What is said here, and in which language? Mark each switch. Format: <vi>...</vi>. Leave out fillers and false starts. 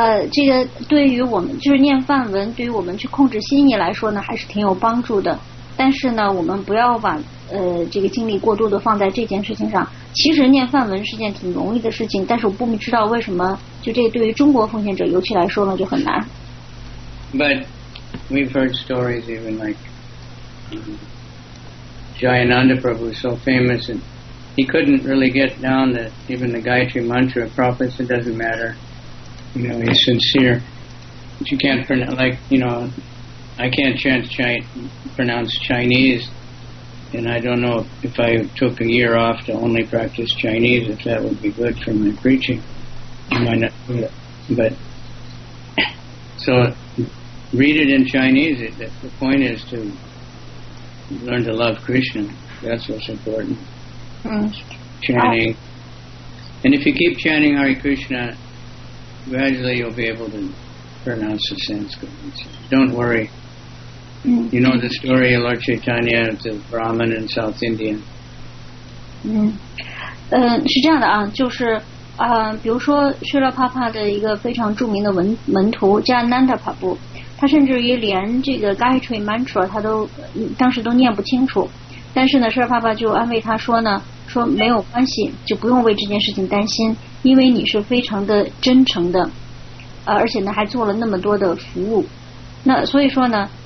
<zh>这个对于我们就是念梵文，对于我们去控制心意来说呢，还是挺有帮助的。但是呢，我们不要把这个精力过度的放在这件事情上。其实念梵文是件挺容易的事情，但是我不知道为什么就这对于中国奉献者尤其来说呢就很难。</zh> <en>But we've heard stories even like Jayananda Prabhu, so famous, and he couldn't really get down the even the Gayatri Mantra. Prophets, it doesn't matter. You know, he's sincere, but you can't pronounce like you know. I can't pronounce Chinese. And I don't know if I took a year off to only practice Chinese, if that would be good for my preaching. I might not do that. But, so, read it in Chinese. The point is to learn to love Krishna. That's what's important. Chanting. And if you keep chanting Hare Krishna, gradually you'll be able to pronounce the Sanskrit. So don't worry. You know the story of Lord Chaitanya, the Brahmin in South India.</en> <zh>是这样的啊，就是比如说薛拉帕帕的一个非常著名的门徒加南达帕布，他甚至于连这个 Gayatri Mantra 他都当时都念不清楚，但是呢，薛拉帕帕就安慰他说呢，说没有关系，就不用为这件事情担心，因为你是非常的真诚的，而且呢还做了那么多的服务，那所以说呢。</zh>